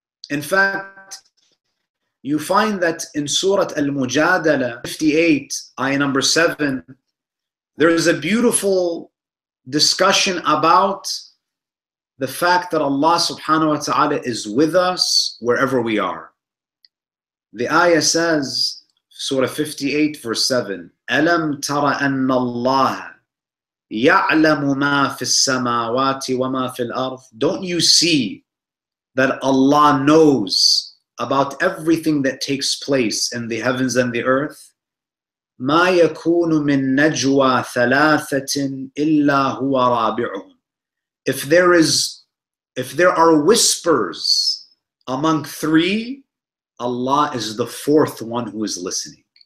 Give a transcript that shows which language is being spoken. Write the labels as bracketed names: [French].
[English] In fact, you find that in Surah Al-Mujadala 58, ayah number 7, there is a beautiful discussion about the fact that Allah subhanahu wa ta'ala is with us wherever we are. The ayah says, Surah 58, verse 7, [Arabic] أَلَمْ تَرَ أَنَّ اللَّهَ يَعْلَمُ مَا فِي السَّمَاوَاتِ وَمَا فِي الْأَرْضِ. [English] Don't you see that Allah knows about everything that takes place in the heavens and the earth? [Arabic] مَا يَكُونُ مِن نَجْوَى ثَلَاثَةٍ إِلَّا هُوَ رَابِعُهُ. [English] If there are whispers among 3, Allah is the fourth one who is listening.